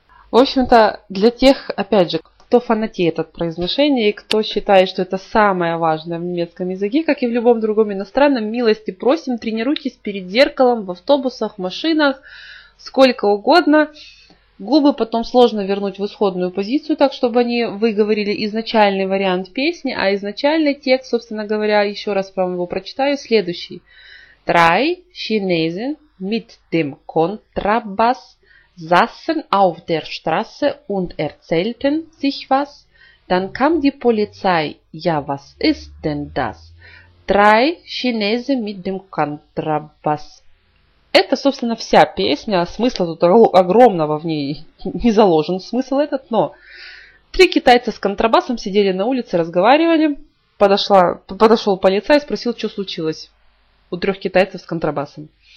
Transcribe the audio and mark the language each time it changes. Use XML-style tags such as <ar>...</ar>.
<ru>В общем-то, для тех, опять же, кто фанатеет от произношения и кто считает, что это самое важное в немецком языке, как и в любом другом иностранном, милости просим, тренируйтесь перед зеркалом, в автобусах, машинах, сколько угодно. Губы потом сложно вернуть в исходную позицию, так чтобы они выговорили изначальный вариант песни, а изначальный текст, собственно говоря, еще раз вам его прочитаю, следующий.</ru> <de>Drei Chinesen mit dem Kontrabass saßen auf der Straße und erzählten sich was. Dann kam die Polizei. Ja, was ist denn das? Drei Chinesen mit dem Kontrabass.</de> <ru>Это, собственно, вся песня. Смысла тут огромного в ней не заложен. Смысл этот, но... Три китайца с контрабасом сидели на улице, разговаривали. Подошел полицай и спросил, что случилось у трех китайцев с контрабасом.</ru>